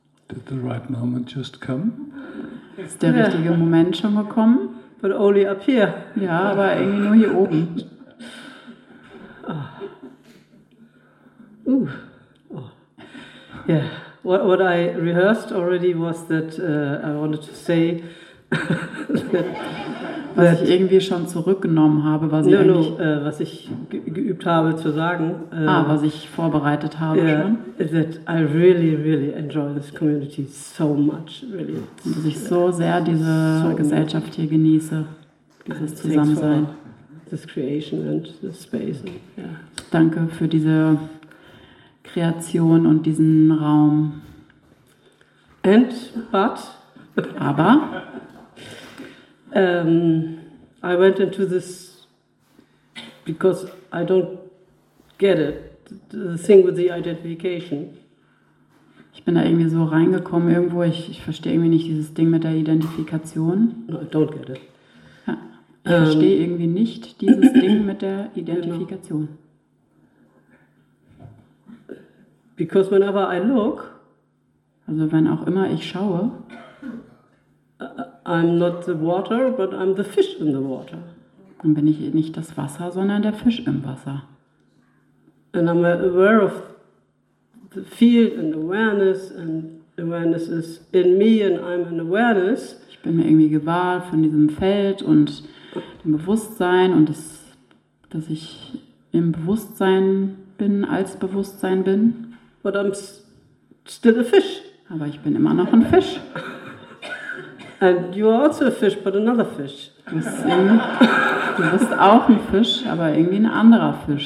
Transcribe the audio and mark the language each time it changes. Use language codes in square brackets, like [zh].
[en] Did the right moment just come? [de] Ist der richtige Moment schon gekommen? [en] But only up here. [de] Ja, aber irgendwie nur hier oben. Oh. Yeah. [en] What I rehearsed already was that I wanted to say [de] that was ich irgendwie schon zurückgenommen habe, was ich was ich geübt habe zu sagen, was ich vorbereitet habe schon. [en] That I really really enjoy this community so much, really. [de] Und dass ich so sehr diese so Gesellschaft hier genieße, dieses Zusammensein, [en] this creation and this space. And, yeah. [de] Danke für diese Kreation und diesen Raum. [en] And but [de] aber [en] I went into this because I don't get it, the thing with the identification. [de] Ich bin da irgendwie so reingekommen irgendwo, ich verstehe irgendwie nicht dieses Ding mit der Identifikation. [en] No, I don't get it. [de] Ja, ich verstehe irgendwie nicht dieses Ding mit der Identifikation. Genau. [en] Because whenever I look, [de] also wenn auch immer ich schaue, [en] I'm not the water, but I'm the fish in the water. [de] Dann bin ich nicht das Wasser, sondern der Fisch im Wasser. [en] And I'm aware of the field and awareness is in me and I'm an awareness. [de] Ich bin mir irgendwie gewahr von diesem Feld und dem Bewusstsein und dass ich im Bewusstsein bin, als Bewusstsein bin. [en] But I'm still a fish. [de] Aber ich bin immer noch ein Fisch. [en] And you are also a fish, but another fish. [de] Du bist auch ein Fisch, aber irgendwie ein anderer Fisch.